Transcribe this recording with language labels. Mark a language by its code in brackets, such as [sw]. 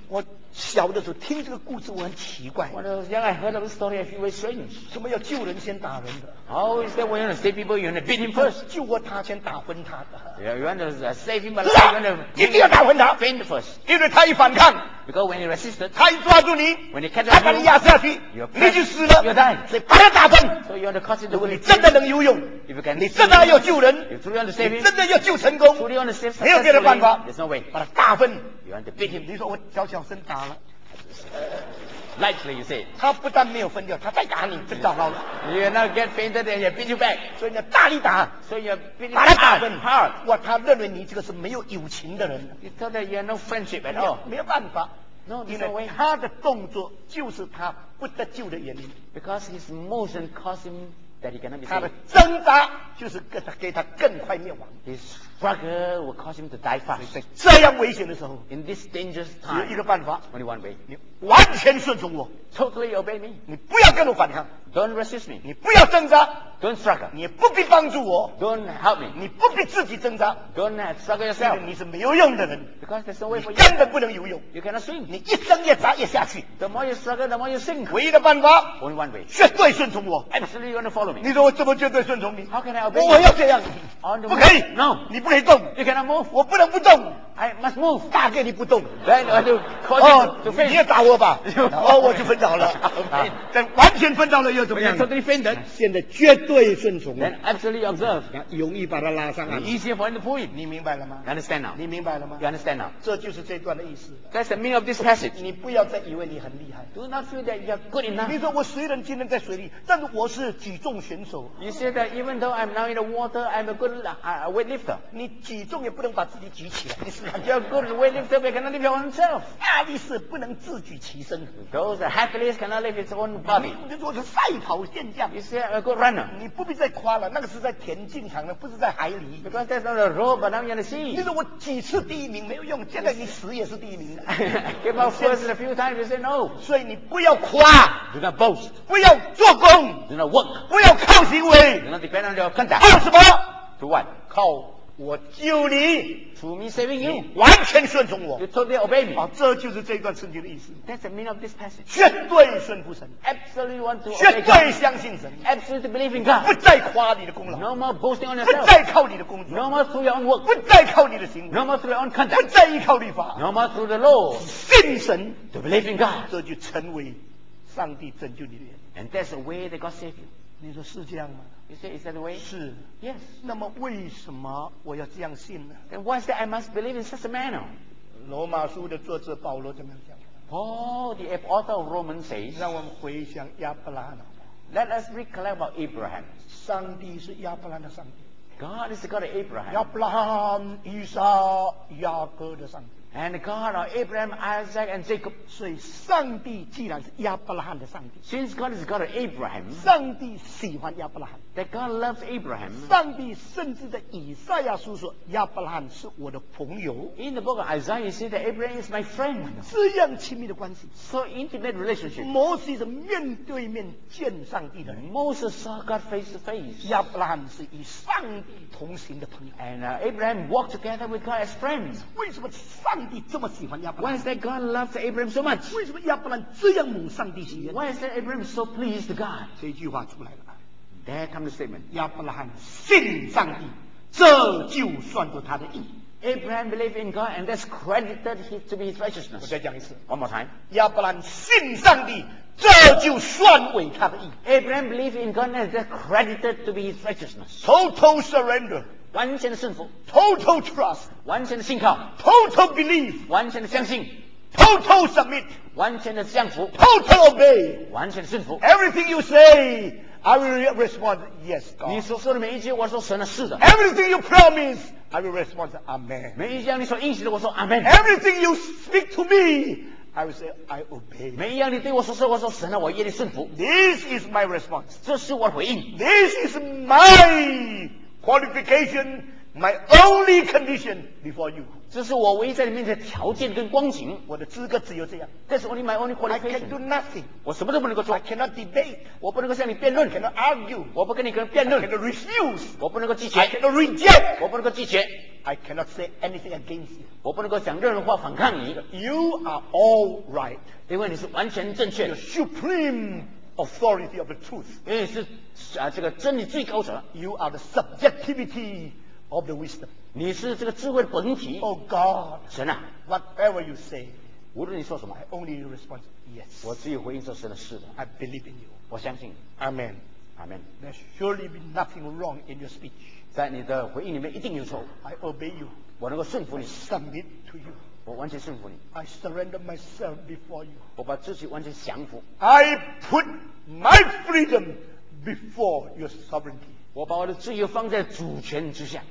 [zh] 我小的时候听这个故事我很奇怪 [en] when I was young I heard of the story I feel very strange [zh] 什么要救人先打人的 [en] how is that when you want to save people you want to beat him first [zh] 救过他先打昏他的 [en] yeah, you want to save him but you want to [zh] 一定要打昏他 [en] faint first [zh] 因为他一反抗 [en] Because when he resisted, [zh] 他一抓住你 [en] when he catches you, [zh] 他把你压下去 [en] pressed, [zh] 你就死了 [en] you're dying. [zh] 所以把他打昏 [en] so you want to cause him to [zh] 如果你真的能游泳 [en] if you can [zh] 你真的要救人 [en] you truly want to save him, [zh] 你真的要救成功 [en] truly want to save successfully, [zh] 没有别的办法 [en] there's no way. [zh] 把他打昏 [en] you want to beat him. [zh] 你说我小小声打了 [en] Lightly you say [zh] 他不但没有分掉他再打你真糟糕了 [en] you're not get fainted and you beat you back. [zh] 所以你要大力打 [en] so you beat him [zh] 把他打昏 [en] hard. [zh] 哇他认为你这个是没有友情的人 [en] you tell that you have no friendship at all. [zh] 没有办法 [en] No, [zh] 因为他的动作就是他不得救的原因 [en] Because his motion caused him that he cannot be saved [zh] 他的挣扎就是给他更快灭亡 [en] His struggle will cause him to die fast [zh] 在这样危险的时候 [en] In this dangerous time [zh] 只有一个办法 [en] Only one way [zh] 你完全顺从我 [en] Totally obey me [zh] 你不要跟我反抗 [en] Don't resist me [zh] 你不要挣扎 [en] Don't struggle [zh] 你不必帮助我 [en] Don't help me [zh] 你不必自己挣扎 [en] Don't struggle yourself [zh] 你是没有用的人 [en] Because there's no way for [zh] 你根本不能游泳 [en] You cannot swim [zh] 你一生越砸越下去 [en] The more you struggle the more you sink [zh] 唯一的办法 [en] Only one way [zh] 绝对顺从我 [en] Absolutely you want to follow me [zh] 你说我怎么绝对顺从你 [en] How can I obey you [zh] 我要这样 [en] On the [zh] way 不可以 [en] No [zh] 你不可以动 [en] You cannot move [zh] 我不能不动 [en] I must move [zh] 打给你不动 [en] Then I do call you to finish [zh] 你也打我吧哦我就昏倒了但完全昏倒了又怎么样 [en] When totally fainted [zh] 现在绝对顺从 [en] Then absolutely observe [zh] 容易把它拉上 [en] 来 Easier for him to pull him [zh] 你明白了吗 [en] You understand now [zh] 你明白了吗 [en] You understand Now. [zh] 这就是这段的意思。 [en] That's the meaning of this passage. [zh] 你不要再以为你很厉害。 [en] Do not feel that you are good enough. [zh] 你说我虽然今天在水里，但是我是举重重选手。 [en] You see that even though I'm now in the water, I'm a good weightlifter. [zh] 你举重也不能把自己举起来，你是。 [en] You're good weightlifter, but cannot lift your own self. [zh] 亚历士不能自举其身。 [en] Those athletes cannot lift his own body. [zh] 你就是赛跑健将。 [en] You see, a good runner. [zh] 你不必再夸了，那个是在田径场的，不是在海里。 [en] Because that's not a road, but now you're in the sea. [zh] 你说我几次第一名没有用，现在你死也是第一名。 [en] Give up first a few times, you say no. [zh] 所以你不要夸。 [en] Do not boast. [zh] 不要做工。 [en] Do not work. [zh] 不要靠行为。 [en] Do not depend on your conduct. [zh] 靠什么？ [en] To what? [zh] 靠我救你。 [en] To me saving you. [zh] 完全顺从我。 [en] You totally obey me. [zh] 啊，这就是这段圣经的意思。 [en] That's the meaning of this passage. [zh] 绝对顺服神。 [en] Absolutely want to obey. [zh] 绝对相信神。 [en] Absolutely believe in God. [zh] 不再夸你的功劳。 [en] No more boasting on yourself. [zh] 不再靠你的工作。 [en] No more through your own work. [zh] 不再靠你的行为。 [en] No more through your own conduct. [zh] 不再依靠律法。 [en] No more through the law. [zh] 信神。 [en] To believe in God. [zh] 这就成为上帝拯救你的人。 [en] And that's the way that God saved you. [zh] 你说是这样吗？ [en] You say, is that the way? Yes. Yes. [zh] 那么为什么我要这样信呢？ [en] Then why is that I must believe in such a manner? [zh] 罗马书的作者保罗怎么讲？ [en] Paul, the author of Romans says, [zh] 让我们回想亚伯拉罕。 [en] Let us recollect about Abraham. [zh] 上帝是亚伯拉罕的上帝。 [en] God is the God of Abraham. [zh] 亚伯拉罕、以撒、雅各的上帝。 [en] And God of Abraham, Isaac, and Jacob. [zh] 所以上帝既然是亚伯拉罕的上帝。 [en] Since God is God of Abraham. [zh] 上帝喜欢亚伯拉罕。 [en] That God loves Abraham. [zh] 上帝甚至在以赛亚书说，亚伯拉罕是我的朋友。 [en] In the book of Isaiah, you see that Abraham is my friend. [zh] 这样亲密的关系。 [en] So intimate relationship. [zh] 摩西是面对面见上帝的人。 [en] Moses saw God face to face. [zh] 亚伯拉罕是与上帝同行的朋友。 [en] And Abraham walked together with God as friends. [zh] 为什么上上帝这么喜欢亚伯 [en] 兰？ Why is that God loves Abraham so much? [zh] 为什么亚伯兰这样蒙上帝喜悦？ [en] Why is that Abraham so pleased to God? [zh] 这句话出来了。 [en] There comes the statement. [zh] 亚伯兰信上帝，这就算作他的义。 [en] Abraham believed in God and that's credited to be his righteousness. [zh] 我再讲一次。 [en] One more time. [zh] 亚伯兰信上帝，这就算为他的义。 [en] Abraham believed in God and that's credited to be his righteousness. Total surrender. [zh] 完全的顺服 [en] ，total trust， [zh] 完全的信靠 [en] ，total belief， [zh] 完全的相信 [en] ，total submit， [zh] 完全的降服 [en] ，total obey， [zh] 完全的顺服。 [en] Everything you say, I will respond yes, God。 [zh] 你所说的每一句，我说神的是的。 [en] Everything you promise, I will respond amen。 [zh] 每一样你所应许的，我说 amen。 [en] Everything you speak to me, I will say I obey。 [zh] 每一样你对我所说，我说神啊，我愿意顺服。 [en] This is my response。 [zh] 这是我的回应。 [en] This is my qualification, my only condition before you. [zh] 这是我唯一在你面前的条件跟光景。我的资格只有这样。 [en] That's only my only qualification. I can do nothing. [zh] 我什么都不能够做。 [en] I cannot debate. [zh] 我不能够向你辩论。 [en] I cannot argue. [zh] 我不跟你辩论。 [en] I cannot refuse. [zh] 我不能够拒绝。 [en] I cannot reject. [zh] 我不能够拒绝。 [en] I cannot say anything against you. [zh] 我不能够讲任何话反抗你。 [en] You are all right. [zh] 因为你是完全正确。 [en] You're supreme. Authority of the truth. [zh] 你是这个真理最高者。 [en] You are the subjectivity of the wisdom. [zh] 你是这个智慧的本体。 [en] Oh God. [zh] 神啊。 [en] Whatever you say. [zh] 无论你说什么。 [en] I only respond yes. [zh] 我只有回应说神的是的。 [en] I believe in you. [zh] 我相信。 [en] Amen. Amen. There surely be nothing wrong in your speech. [zh] 在你的回应里面一定有错。 [en] I obey you. [zh] 我能够顺服你。 [en] I submit to you. [zh] 我完全顺服你。 [en] I surrender myself before you. [zh] 我把自己完全降服。 [en] I put my freedom before your sovereignty. [zh] 我把我的自由放在主权之下。